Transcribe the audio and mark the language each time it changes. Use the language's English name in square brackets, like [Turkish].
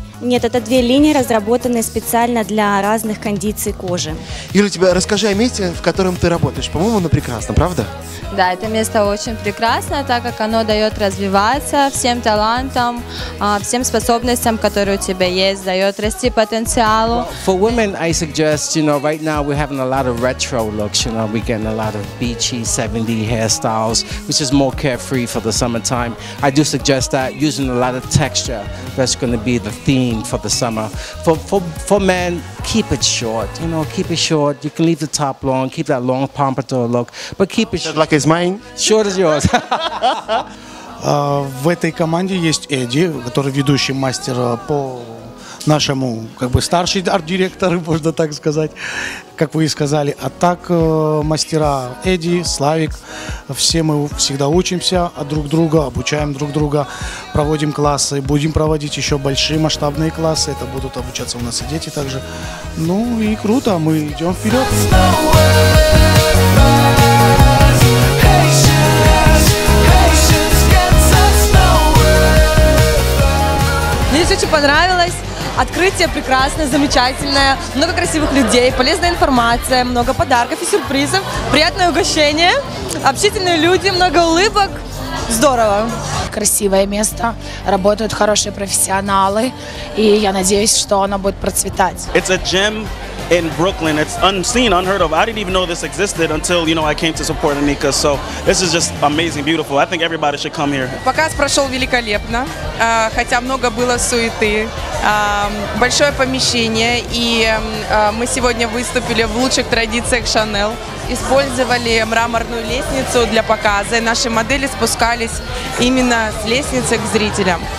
[Russian] Нет, это две линии, разработанные специально для разных кондиций кожи. Юля, тебе расскажи о месте, в котором ты работаешь. По-моему, оно прекрасно, правда? Да, это место очень прекрасно, так как оно дает развиваться всем талантам, всем способностям, которые у тебя есть, дает расти потенциалу. [English] Well, for women, I suggest, you know, right now we're having a lot of retro looks, you know, we're getting a lot of beachy 70 hairstyles, which is more carefree for the summertime. I do suggest that using a lot of texture, that's going to be the theme for the summer. For men, keep it short, you know, keep it short. You can leave the top long, keep that long pompadour look, but keep it short. Is mine. Sure is yours. [Russian] В этой команде есть Эдди, который ведущий мастер по нашему, как бы, старший арт-директор, можно так сказать, как вы и сказали. А так мастера Эдди, Славик, все мы всегда учимся от друг друга, обучаем друг друга, проводим классы, будем проводить еще большие масштабные классы, это будут обучаться у нас и дети также. Ну и круто, мы идем вперед. Очень понравилось. Открытие прекрасное, замечательное. Много красивых людей, полезная информация, много подарков и сюрпризов. Приятное угощение, общительные люди, много улыбок. Здорово. Красивое место, работают хорошие профессионалы, и я надеюсь, что оно будет процветать. [English] It's a gem in Brooklyn. It's unseen, unheard of. I didn't even know this existed until, you know, I came to support Anika. So this is just amazing, beautiful. I think everybody should come here. [Russian] Показ прошел великолепно, хотя много было суеты. Большое помещение, и мы сегодня выступили в лучших традициях Chanel. Использовали мраморную лестницу для показа, и наши модели спускались именно с лестницы к зрителям.